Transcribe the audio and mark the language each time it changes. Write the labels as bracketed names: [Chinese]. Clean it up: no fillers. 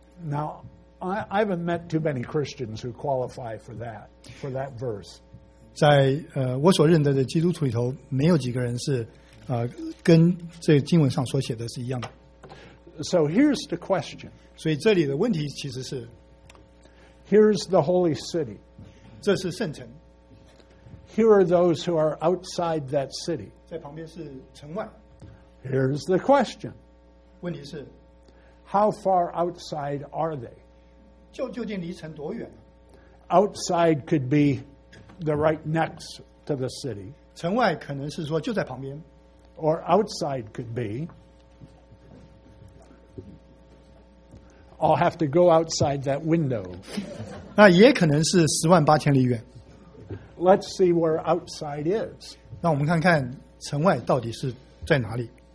[English] now, I haven't met too many Christians who qualify for that verse. [Chinese] 在, 我所认得的基督徒里头, 没有几个人是, 跟这经文上所写的是一样的。 [English] So here's the question. [Chinese] 所以这里的问题其实是, [English] here's the holy city. [Chinese] 这是圣城。 [English] Here are those who are outside that city. [Chinese] 在旁边是城外。 [English] Here's the question. [Chinese] 问题是, [English] how far outside are they? [Chinese] 究竟离城多远? [English] Outside could be the right next to the city. [Chinese] 城外可能是说就在旁边。 [English] Or outside could be, I'll have to go outside that window. [Chinese] 那也可能是十万八千里远。 [English] Let's see where outside is. [Chinese] 让我们看看城外到底是在哪里。